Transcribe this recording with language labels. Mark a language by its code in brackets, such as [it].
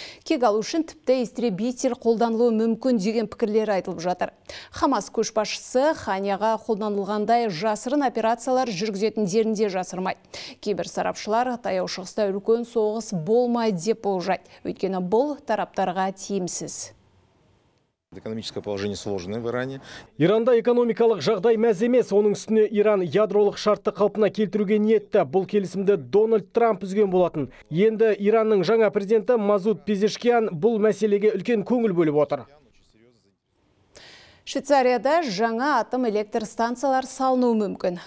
[kk] Кек алу үшін тіпті истребитель қолданылуы мүмкін деген пікірлер айтылып жатыр. Хамас көшбасшысы Ханияға қолданылғандай жасырын операциялар жүргізетіндерін де жасырмайды. Кейбір сарапшылар таяу шығыста үлкен соғыс болмайды деп болжайды. Өйткені бұл тараптарға тиімсіз. [ru] Экономическое положение сложное в Иране. [kk] Иранда экономикалық жағдай мәз емес. Оның үстіне Иран ядролық шартты қалпына келтіруге ниетті. Бұл келісімді Дональд Трамп үзген болатын. Енді Иранның жаңа президенті Мазуд Пезешкиан бұл мәселеге үлкен көңіл бөліп отыр. Швейцарияда жаңа атом электр станциялар салынуы мүмкін.